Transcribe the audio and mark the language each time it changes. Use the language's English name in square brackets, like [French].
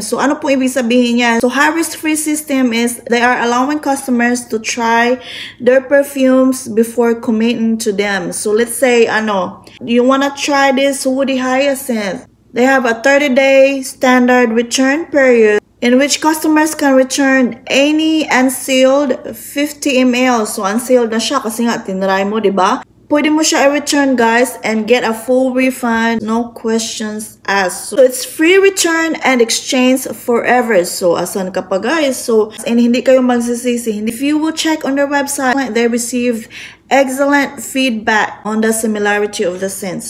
[Filipino] So ano po ibig sabihin niya? [English] So high risk free system is they are allowing customers to try their perfumes before committing to them. So let's say ano, you wanna try this woody hyacinth. They have a 30-day standard return period, in which customers can return any unsealed 50 ml. [Filipino] So unsealed na siya kasi nga tinry mo, diba? Pwede mo siya i-return, [English] guys, and get a full refund, no questions asked. So it's free return and exchange forever. [Filipino] So asan ka pa, guys? [English] So and [Filipino] hindi kayo magsisisi. [English] If you will check on their website, they received excellent feedback on the similarity of the scents.